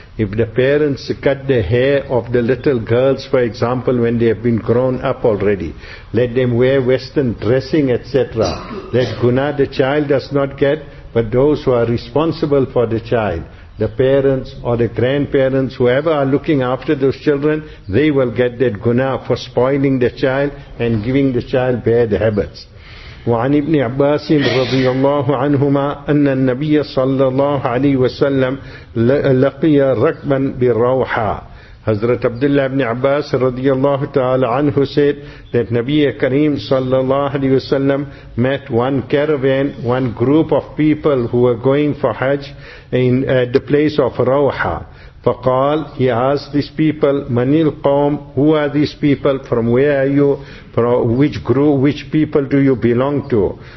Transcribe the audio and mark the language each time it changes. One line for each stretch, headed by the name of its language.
English: If the parents cut the hair of the little girls, for example, when they have been grown up already, let them wear Western dressing, etc. That guna the child does not get, but those who are responsible for the child, the parents or the grandparents, whoever are looking after those children, they will get that guna for spoiling the child and giving the child bad habits.
Arabic: وعن ابن عباس رضي الله عنهما أن النبي صلى الله عليه وسلم لقي ركبا بروحة.
English: Hazrat Abdullah ibn Abbas radiyallahu ta'ala anhu said that Nabi Kareem sallallahu alayhi wa sallam met one caravan, one group of people who were going for Hajj in the place of Rawha. Faqal, he asked these people,
Arabic: Manil Qawm,
English: who are these people, from where are you, from which group, which people do you belong to?